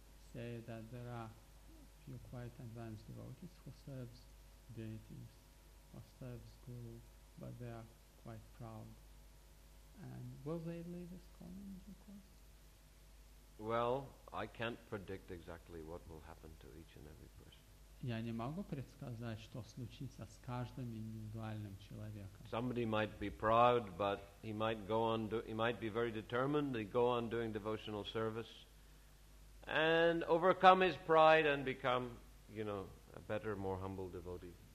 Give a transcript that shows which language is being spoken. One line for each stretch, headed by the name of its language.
English: Say that there are few quite advanced devotees who serves deities or serves guru, but they are quite proud. And will they leave this con in due course? Well, I can't predict exactly what will happen to each and every person.
Russian: Я не могу предсказать, что случится с каждым индивидуальным человеком.
English: Somebody might be proud, but he might go on. He might be very determined. He go on doing devotional service, and overcome his pride and become, you know, a better, more humble devotee.